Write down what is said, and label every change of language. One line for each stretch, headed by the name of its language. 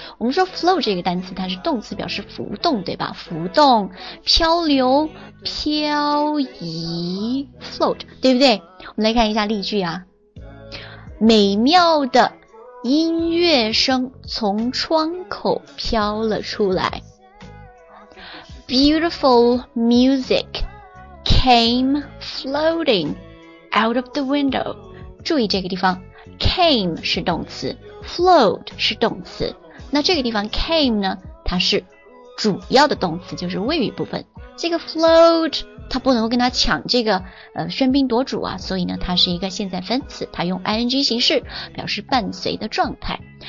Chinese: 我们说 flow 这个单词，它是动词，表示浮动，对吧？浮动、漂流、漂移 ，float， 对不对？我们来看一下例句啊。美妙的音乐声从窗口飘了出来。
English: Beautiful music came floating out of the window.
Chinese: 注意这个地方， came 是动词， float 是动词。那这个地方 came 呢，它是主要的动词，就是谓语部分。这个 float 它不能够跟它抢这个喧宾夺主啊，所以呢它是一个现在分词，它用 ing 形式表示伴随的状态。